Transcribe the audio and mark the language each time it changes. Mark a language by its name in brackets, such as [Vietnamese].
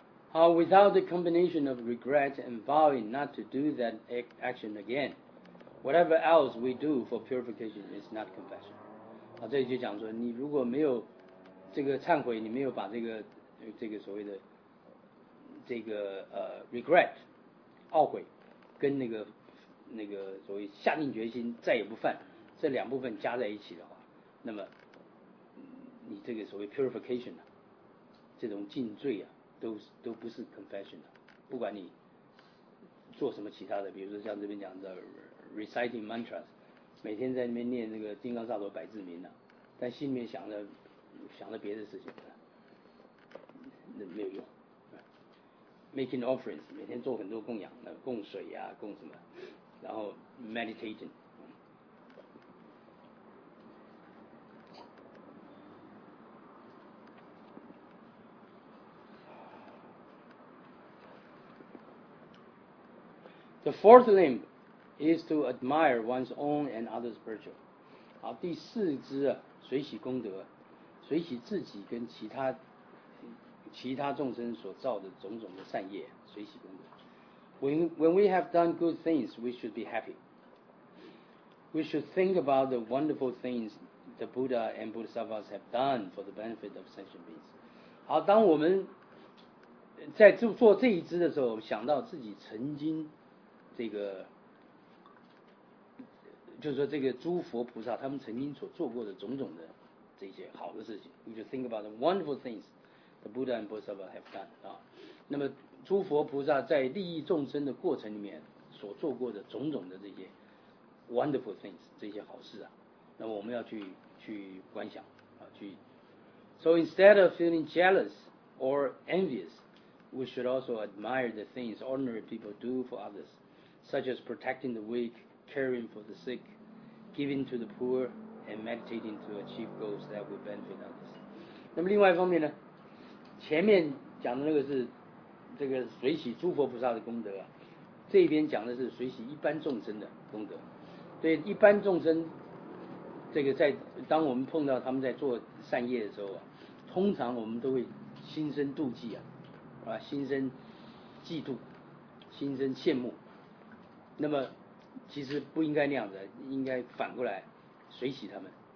[English] 好， without the combination of regret and vowing not to do that action again, whatever else we do for purification is not confession. [Chinese] 啊，这里就讲说你如果没有这个忏悔，你没有把这个所谓的这个regret 懊悔跟那个所谓下定决心再也不犯这两部分加在一起的话，那么你这个所谓 purification 啊，这种净罪啊，都不是 confession 的，不管你做什么其他的，比如说像这边讲的 reciting mantras，每天在那边念那个金刚萨埵百字铭呢、啊，但心里面想着别的事情，那没有用。 [English] Making offerings， [Chinese] 每天做很多供养，供水啊，供什么，然后 meditating。 [English] The fourth limb is to admire one's own and others' virtue。 [Chinese] 好，第四支啊，随喜功德，随喜自己跟其他众生所造的种种的善业，随喜功德。 [English] When we have done good things, we should be happy. We should think about the wonderful things the Buddha and Bodhisattvas have done for the benefit of sentient beings. [Chinese] 好，当我们在做这一支的时候，想到自己曾经这个，就是说这个诸佛菩萨他们曾经所做过的种种的这些好的事情。 [English] We should think about the wonderful things. The Buddha and Bodhisattva have done [Chinese] 啊，那么诸佛菩萨在利益众生的过程里面所做过的种种的这些 [English] wonderful things [Chinese] 这些好事啊，那么我们要去观想啊，去。 [English] So instead of feeling jealous or envious, we should also admire the things ordinary people do for others, such as protecting the weak, caring for the sick, giving to the poor, and meditating to achieve goals that will benefit others. [Chinese] 那么另外一方面呢？前面讲的那个是这个随喜诸佛菩萨的功德、啊、这边讲的是随喜一般众生的功德，对一般众生，这个在当我们碰到他们在做善业的时候、啊、通常我们都会心生妒忌 啊，心生嫉妒，心生羡慕，那么其实不应该那样的，应该反过来随喜他们。